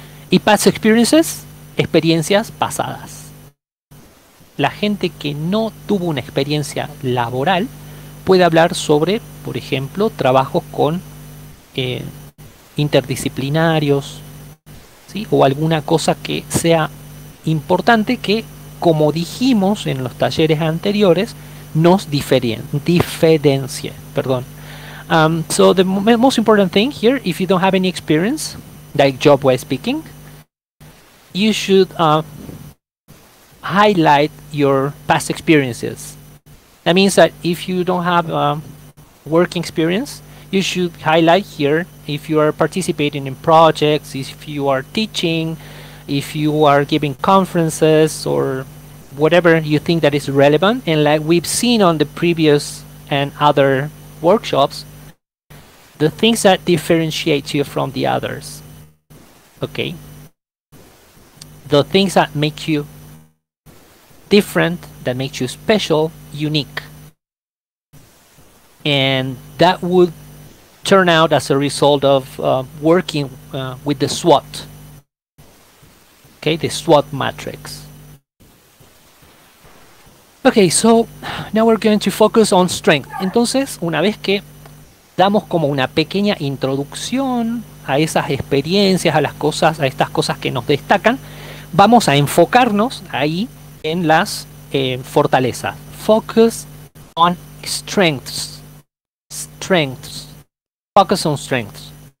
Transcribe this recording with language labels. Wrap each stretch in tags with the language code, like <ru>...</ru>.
<es>Y past experiences, experiencias pasadas. La gente que no tuvo una experiencia laboral puede hablar sobre, por ejemplo, trabajos con interdisciplinarios, ¿sí? O alguna cosa que sea importante que, como dijimos en los talleres anteriores, nos diferencie. Perdón.</es> <en>So the most important thing here, if you don't have any experience, like job while speaking, you should highlight your past experiences. That means that if you don't have work experience, you should highlight here if you are participating in projects, if you are teaching, if you are giving conferences or whatever you think that is relevant. And like we've seen on the previous and other workshops, the things that differentiate you from the others, okay? The things that make you different, that makes you special, unique. And that would turn out as a result of working with the SWOT. Okay, the SWOT matrix. Okay, so now we're going to focus on strength.</en> <es>Entonces, una vez que damos como una pequeña introducción a esas experiencias, a las cosas, a estas cosas que nos destacan, vamos a enfocarnos ahí en las fortalezas.</es> <en>Focus on strengths. Strengths. Focus on strengths.</en>